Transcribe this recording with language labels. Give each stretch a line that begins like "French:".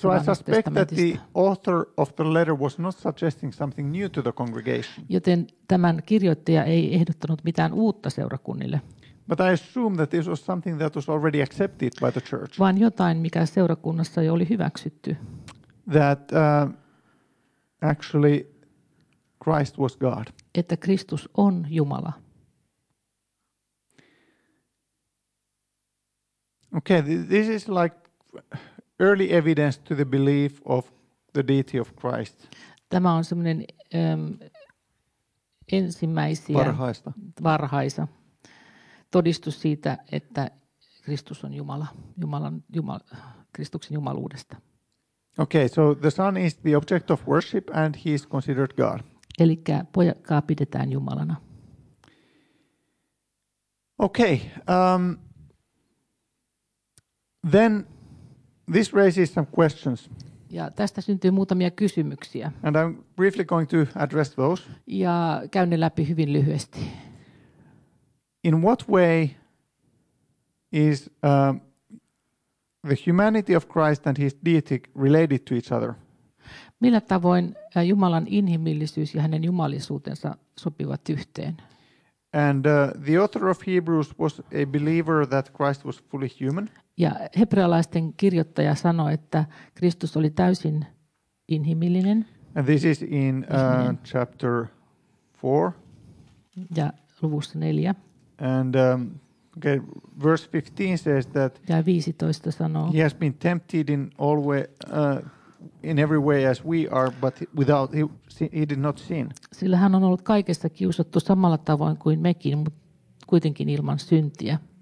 English: So I suspect that the author of the letter was not suggesting something new to the congregation.
Finnish: Joten tämän kirjoittaja ei ehdottanut mitään uutta seurakunnille.
English: But I assume that this was something that was already accepted by the church.
Finnish: Vaan jotain, mikä seurakunnassa jo oli hyväksytty.
English: That actually Christ was God.
Finnish: Että Kristus on Jumala.
English: Okay, this is like early evidence to the belief of the deity of Christ.
Finnish: Tämä on semmoinen ensimmäisiä varhaista todistus siitä, että Kristus on Jumala, Kristuksen jumaluudesta.
English: Okay, so the Son is the object of worship and he is considered God.
Finnish: Elikkä poikaa pidetään Jumalana.
English: Okay. Then this raises some questions.
Finnish: Ja tästä syntyy muutamia kysymyksiä.
English: And I'm briefly going to address those.
Finnish: Ja käyn ne läpi hyvin lyhyesti.
English: In what way is the humanity of Christ and his deity related to each other?
Finnish: Millä tavoin Jumalan inhimillisyys ja hänen jumalisuutensa sopivat yhteen?
English: And the author of Hebrews was a believer that Christ was fully human.
Finnish: Ja hebrealaisten kirjoittaja sanoi, että Kristus oli täysin inhimillinen.
English: And this is in chapter 4.
Finnish: Ja luvussa 4.
English: And okay, verse 15 says that
Finnish: ja 15 sanoo,
English: he has been tempted in all way, in every way as we are, but without he did not sin.
Finnish: Sillä hän on ollut kaikessa kiusattu samalla tavoin kuin mekin, mutta kuitenkin ilman syntiä.